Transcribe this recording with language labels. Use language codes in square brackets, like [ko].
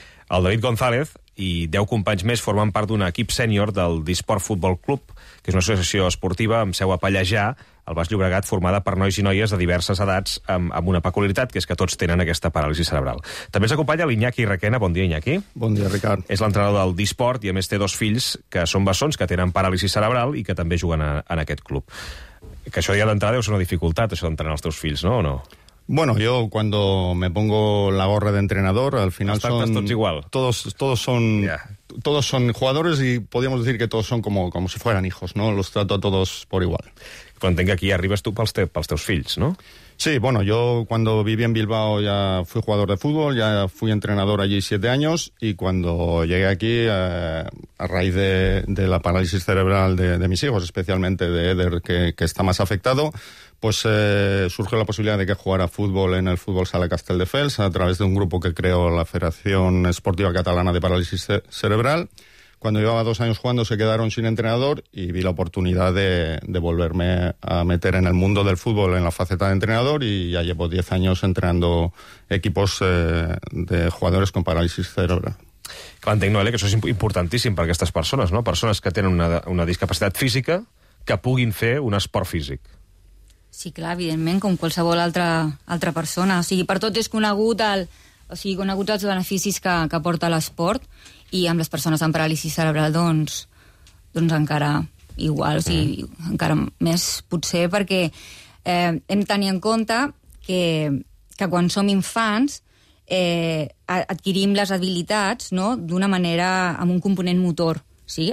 [ca] El David González i 10 companys més formen part d'un equip sènior del Disport Futbol Club, que és una associació esportiva amb seu a Pallejà, al Baix Llobregat, formada per nois i noies de diverses edats amb una peculiaritat, que és que tots tenen aquesta paràlisi cerebral. També s'acompanya l'Iñaki Requena. Bon dia, Iñaki. Bon dia, Ricard. És l'entrenador del Disport i, a més, té 2 fills que són bessons, que tenen paràlisi cerebral i que també juguen en aquest club. Que això ja d'entrada deu ser una dificultat, això d'entrenar els teus fills, no? O no? [es] Bueno, yo cuando me pongo la gorra de entrenador, al final son... [ca] Tots igual. [es] Todos son... Yeah. Todos son jugadores y podríamos decir que todos son como si fueran hijos, ¿no? Los trato a todos por igual. [ca] Quan entenc que aquí arribes tu pels teus fills, no? [es] Sí, bueno, yo cuando viví en Bilbao ya fui jugador de fútbol, ya fui entrenador allí 7 años y cuando llegué aquí, a raíz de la parálisis cerebral de mis hijos, especialmente de Eder, que está más afectado, pues surge la posibilidad de que jugara fútbol en el Fútbol Sala Castelldefels a través de un grupo que creó la Federación Esportiva Catalana de Parálisis Cerebral. cuando llevaba 2 años jugando se quedaron sin entrenador y vi la oportunidad de volverme a meter en el mundo del fútbol en la faceta de entrenador y ya llevo 10 años entrenando equipos de jugadores con parálisis cerebral. [ca] Clar, entenc, Noel, que això és importantíssim per a aquestes persones, no? Persones que tenen una discapacitat física que puguin fer un esport físic. Sí, clar, evidentment, com qualsevol altra persona. O sigui, per tot és conegut conegut els beneficis que porta l'esport i amb les persones amb paràlisi cerebral, doncs encara igual, o sigui, encara més potser, perquè hem de tenir en compte que quan som infants adquirim les habilitats, no?, d'una manera amb un component motor, sí?